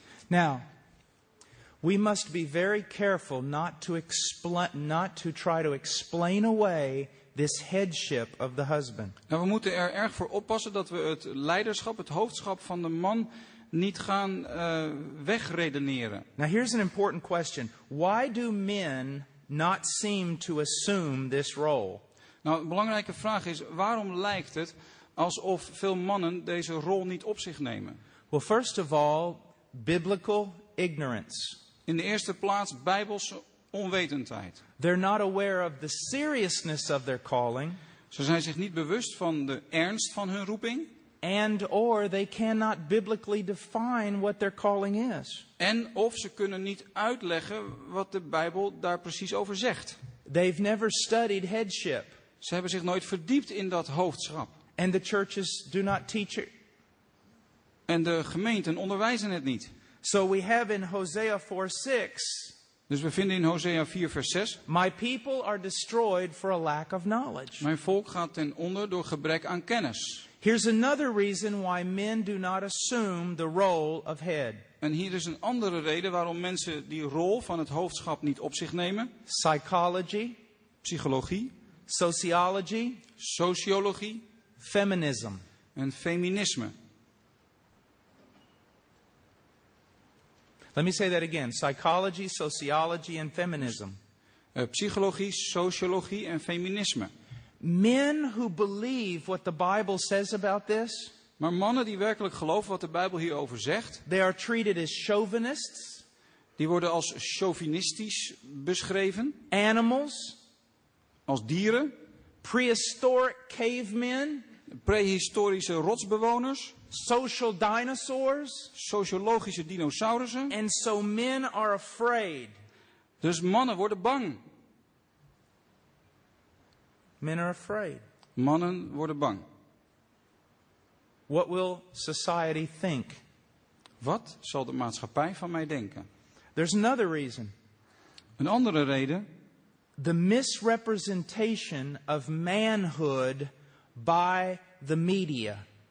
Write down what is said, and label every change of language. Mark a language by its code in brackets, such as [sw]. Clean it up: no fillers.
[en] Now, we must be very careful not to try to explain away this headship of the husband. [nl] Nou, we moeten er erg voor oppassen dat we het leiderschap, het hoofdschap van de man niet gaan wegredeneren. [en] Now, here's an important question. Why do men not seem to assume this role? [nl] Nou, een belangrijke vraag is, waarom lijkt het alsof veel mannen deze rol niet op zich nemen? [en] Well, first of all, biblical ignorance. [nl] In de eerste plaats Bijbelse onwetendheid. [en] They're not aware of the seriousness of their calling. [nl] Ze zijn zich niet bewust van de ernst van hun roeping. [en] And or they cannot biblically define what their calling is. [nl] En of ze kunnen niet uitleggen wat de Bijbel daar precies over zegt. [en] They've never studied headship. [nl] Ze hebben zich nooit verdiept in dat hoofdschap. [en] And the churches do not teach it. [nl] En de gemeenten onderwijzen het niet. [en] So we have in Hosea 4:6. [nl] Dus we vinden in Hosea 4 vers 6. [en] My people are destroyed for a lack of knowledge. [nl] Mijn volk gaat ten onder door gebrek aan kennis. [en] Here's another reason why men do not assume the role of head. [nl] En hier is een andere reden waarom mensen die rol van het hoofdschap niet op zich nemen. [en] Psychology. [nl] Psychologie. [en] Sociology. [nl] Sociologie. [en] Feminism. [nl] En feminisme. [en] Let me say that again. Psychology, sociology and feminism. [nl] Psychologie, sociologie en feminisme. [en] Men who believe what the Bible says about this. [nl] Maar mannen die werkelijk geloven wat de Bijbel hierover zegt. [en] They are treated as chauvinists. [nl] Die worden als chauvinistisch beschreven. [en] Animals. [nl] Als dieren. [en] Prehistoric cavemen. [nl] Prehistorische rotsbewoners. [en] Social dinosaurs. [nl] Sociologische dinosaurussen. [en] And so men are afraid. [nl] Dus mannen worden bang. [en] Men are afraid. [nl] Mannen worden bang. [en] What will society think? [nl] Wat zal de maatschappij van mij denken? [en] There's another reason. [nl] Een andere reden. [en] The misrepresentation of manhood by the media.